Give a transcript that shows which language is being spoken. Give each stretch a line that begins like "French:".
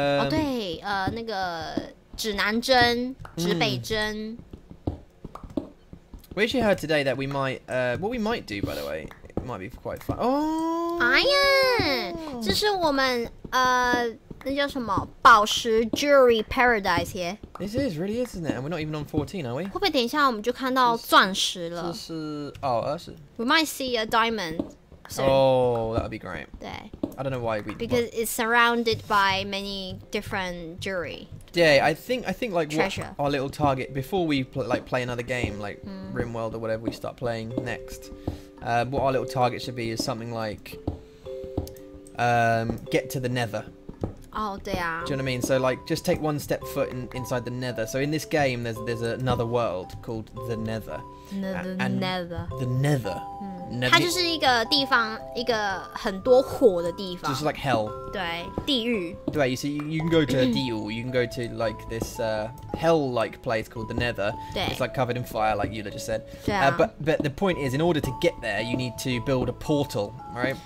Chinese: 对，那个指南针、指北针。
English: We actually heard today that we might, what we might do, by the way, it might be quite fun. Oh, iron.
Chinese: 这是我们那叫什么宝石
English: jewelry paradise
Chinese: 耶
English: This is really isn't it? And we're not even on 14, are we?
Chinese: 会不会等一下我们就看到钻石了？这是哦，二十。
English: We might see a diamond. Oh, that would be great. 对。 I don't know why we. Because it's surrounded by many different jewelry. Yeah, I think like treasure. Our little target before we play another game like RimWorld or whatever we start playing next. What our little target should be is something like get to the Nether.
Chinese: Oh, 对啊
English: Do you know what I mean? So like, just take one step foot inside the nether. So in this game, there's another world called the nether. The nether. The nether.
Chinese: 那它就是一个地方，一个很多火的地方。就是
English: like hell.
Chinese: 对，地狱。对，
English: you see, you can go to
Chinese: 地狱
English: you can go to like this hell-like place called the Nether.
Chinese: 对。
English: It's like covered in fire, like Yula just said.
Chinese: 对啊。
English: But the point is, in order to get there, you need to build a portal, right?